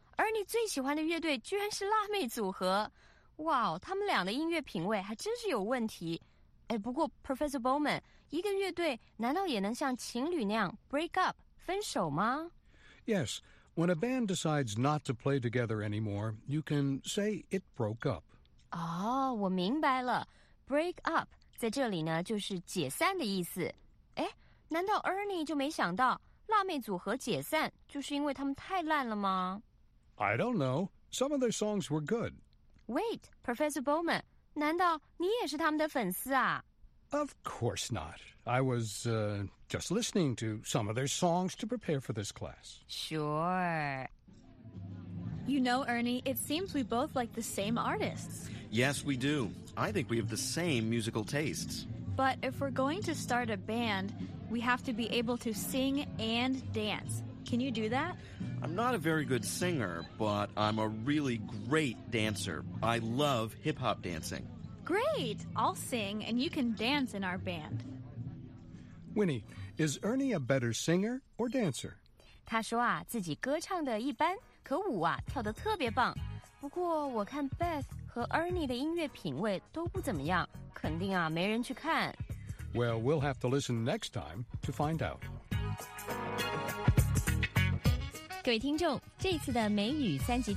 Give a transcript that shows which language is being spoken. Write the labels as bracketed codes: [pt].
[zh] 而你最喜欢的乐队居然是辣妹组合，哇，他们俩的音乐品味还真是有问题。不过 Professor Bowman， 一个乐队难道也能像情侣那样 break up 分手吗 [en] ？Yes, when a band decides not to play together anymore, you can say it broke up. [zh] 哦，我明白了 ，break up 在这里呢就是解散的意思。难道 Ernie 就没想到？辣妹组合解散就是因为他们太烂了吗 [en] ？I don't know. Some of their songs were good. Wait, [zh] Professor Bowman, 难道你也是他们的粉丝啊 [en] ？Of course not. I was, just listening to some of their songs to prepare for this class. Sure. You know, Ernie, it seems we both like the same artists. Yes, we do. I think we have the same musical tastes. But if we're going to start a band,We have to be able to sing and dance. Can you do that? I'm not a very good singer, but I'm a really great dancer. I love hip-hop dancing. Great! I'll sing, and you can dance in our band. Winnie, is Ernie a better singer or dancer? [zh] 他说啊，自己歌唱的一般，可舞啊，跳得特别棒。不过我看 Beth 和 Ernie 的音乐品味都不怎么样，肯定啊，没人去看。 [en] Well, we'll have to listen next time to find out. [zh] 各位听众，这次的美语三级跳